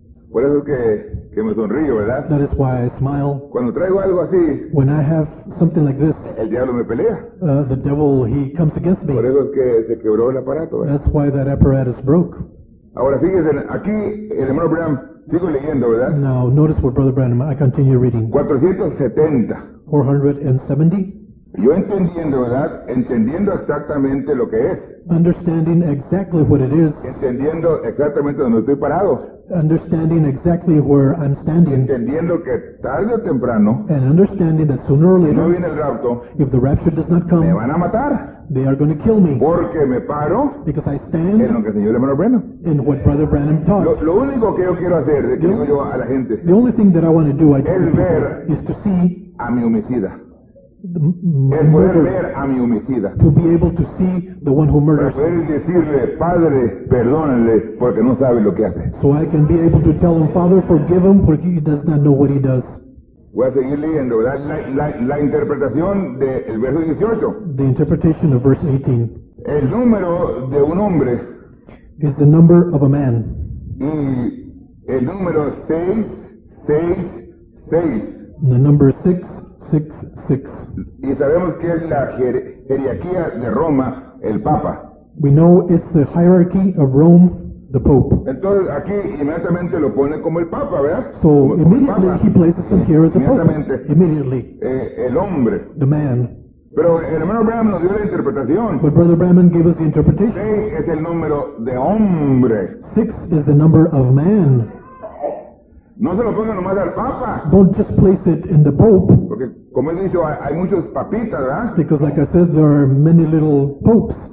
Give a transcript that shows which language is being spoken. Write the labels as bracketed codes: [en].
[es] por eso es que me sonrío, ¿verdad? [en] That is why I smile. [es] Cuando traigo algo así, [en] when I have something like this, [es] el diablo me pelea. [en] The devil, he comes against me. [es] Por eso es que se quebró el aparato, ¿verdad? [en] That's why that apparatus broke. [es] Ahora fíjense, aquí el hermano Branham, sigo leyendo, ¿verdad? [en] Now, notice what Brother Branham, I continue reading. [es] 470. [en] 470. [es] Yo entendiendo, ¿verdad? Entendiendo exactamente lo que es. [en] Understanding exactly what it is. [es] Entendiendo exactamente donde estoy parado. [en] Understanding exactly where I'm standing. [es] Entendiendo que tarde o temprano, [en] and understanding that sooner or later, [es] no viene el rapto, [en] if the rapture does not come, [es] me van a matar. [en] They are going to kill me. [es] Porque me paro, [en] because I stand [es] en lo que enseñó el hermano Branham. [en] In what Brother Branham taught. [es] Lo único que yo quiero hacer, que digo yo a la gente, [en] the only thing that I want to do, I [es] es ver, [en] is to see [es] a mi homicida. Es poder ver a mi homicida. [en] To be able to see the one who murders. [es] Para poder decirle, Padre, perdónenle, porque no sabe lo que hace. [en] So I can be able to tell him, Father, forgive him, [es] porque [en] he does not know what he does. [es] Voy a seguir leyendo, ¿verdad? La interpretación del verso 18. [en] The interpretation of verse 18. [es] El número de un hombre [en] is the number of a man. [es] Y el número 666. [en] And the number 666. [es] Y sabemos que es la jerarquía de Roma, el Papa. [en] We know it's the hierarchy of Rome, the Pope. [es] Entonces aquí inmediatamente lo pone como el Papa, ¿verdad? [en] So immediately he places him here as the Pope. Immediately. [es] El hombre. [en] The man. [es] Pero el hermano Branham nos dio la interpretación. [en] But Brother Branham gave us the interpretation. [es] 6 es el número de hombre. [en] 6 is the number of man. [es] No se lo ponga nomás al Papa. [en] Don't just place it in the Pope. [es] Porque como he dicho, hay muchos papitas, ¿verdad? [en] Because like I said, there are many little popes.